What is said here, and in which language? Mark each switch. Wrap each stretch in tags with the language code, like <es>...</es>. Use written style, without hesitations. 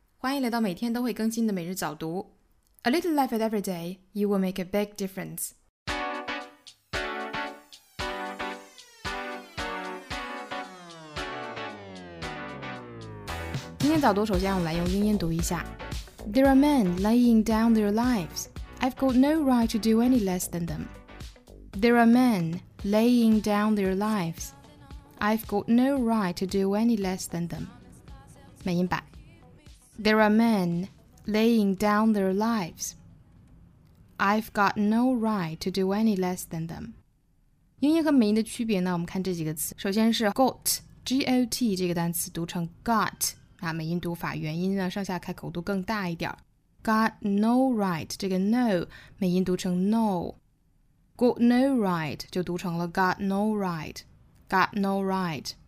<zh>欢迎来到每天都会更新的每日早读。</zh> <en>A little life at every day, you will make a big difference.</en> <zh>今天早读首先我们来用英音读一下。</zh> <en>There are men laying down their lives. I've got no right to do any less than them. There are men laying down their lives. I've got no right to do any less than them.</en> <zh>美音版</zh> <en>There are men laying down their lives. I've got no right to do any less than them.</en> <zh>英音和美音的区别呢，我们看这几个词。首先是 got, G-O-T 这个单词读成 got, 啊，美音读法元音呢上下开口度更大一点。</zh> <en>Got no right,</en> <zh>这个</zh> <en>no,</en> <zh>美音读成</zh> <en>no. Got no right,</en> <zh>就读成了</zh> <en>got no right. Got no right.</en>